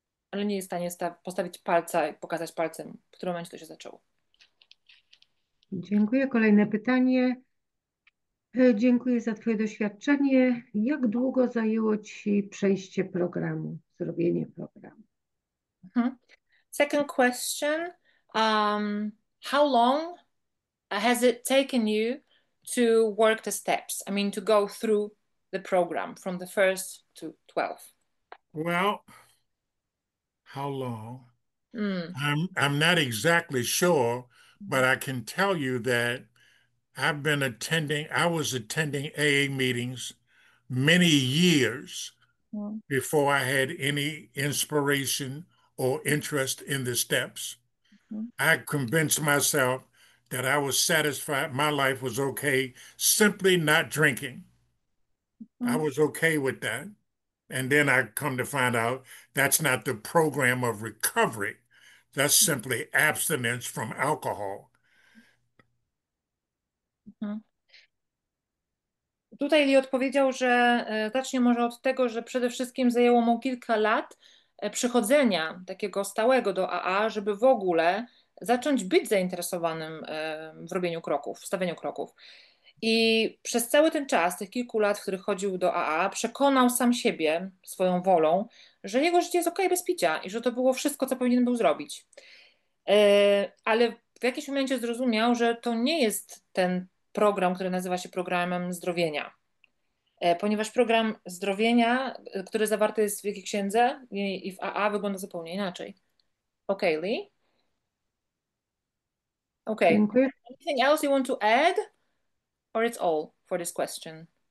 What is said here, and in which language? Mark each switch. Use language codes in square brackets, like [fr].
[pl] Ale nie jest w stanie postawić palca i pokazać palcem, w którym momencie to się zaczęło. Dziękuję. Kolejne pytanie. Dziękuję za Twoje doświadczenie. Jak długo zajęło Ci przejście programu, zrobienie programu? [en] Second question. How long has it taken you to work the steps, I mean to go through the program from the first to 12th. Well, how long? I'm not exactly sure. But I can tell you that I was attending AA meetings many years before I had any inspiration or interest in the steps. I convinced myself that I was satisfied my life was okay simply not drinking. I was okay with that. And then I come to find out that's not the program of recovery. That's simply abstinence from alcohol. [pl] Tutaj Lee odpowiedział, że zacznie może od tego, że przede wszystkim zajęło mu kilka lat przychodzenia takiego stałego do AA, żeby w ogóle zacząć być zainteresowanym w robieniu kroków, w stawianiu kroków. I przez cały ten czas, tych kilku lat, w których chodził do AA, przekonał sam siebie swoją wolą, że jego życie jest okej bez picia i że to było wszystko, co powinien był zrobić. Ale w jakimś momencie zrozumiał, że to nie jest ten program, który nazywa się programem zdrowienia. Ponieważ program zdrowienia, który zawarty jest w jakiej księdze i w AA, wygląda zupełnie inaczej. Okej, okay, Dziękuję. [en] Lee. Okay. Anything else you want to add? Or it's all for this question?